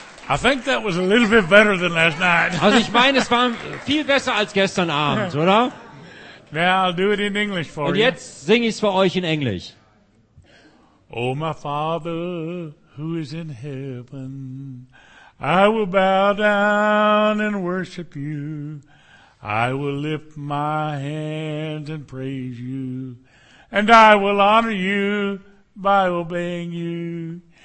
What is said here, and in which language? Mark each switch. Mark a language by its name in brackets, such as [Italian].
[English] I think that was a little bit better than last night. [German] Also ich meine, es war viel besser als gestern Abend, oder? [English] Now I'll do it in English for you. [German] Und jetzt singe ich es für euch in Englisch. [English] Oh, my Father, who is in heaven, I will bow down and worship you. I will lift my hands and praise you. And I will honor you by obeying you.